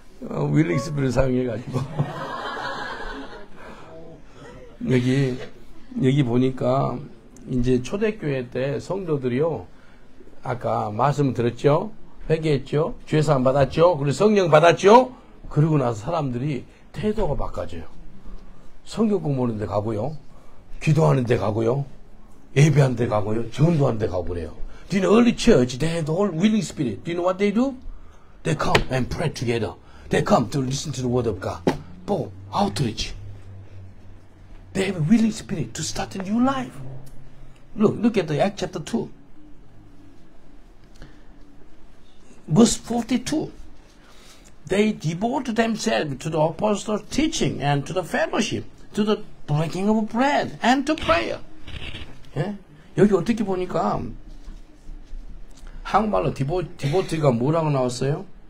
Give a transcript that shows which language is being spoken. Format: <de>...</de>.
<ko>Willing Spirit 사용해가지고 여기 보니까 이제 초대교회 때 성도들이요 아까 말씀 들었죠? 회개했죠? 죄사함 받았죠? 그리고 성령 받았죠? 그러고 나서 사람들이 태도가 바꿔져요. 성경공부 하는 데 가고요, 기도하는 데 가고요, 예배하는 데 가고요, 전도하는 데 가버려요.</ko> <en>Do you know early church, they have the whole willing spirit. Do you know what they do? They come and pray together. They come to listen to the word of God. Boom. Outreach. They have a willing spirit to start a new life. Look at the Acts chapter 2. Verse 42. They devote themselves to the apostles' teaching and to the fellowship, to the breaking of bread and to prayer.</en> <ko>예? 여기 어떻게 보니까 한국말로 디보티가 뭐라고 나왔어요?</ko>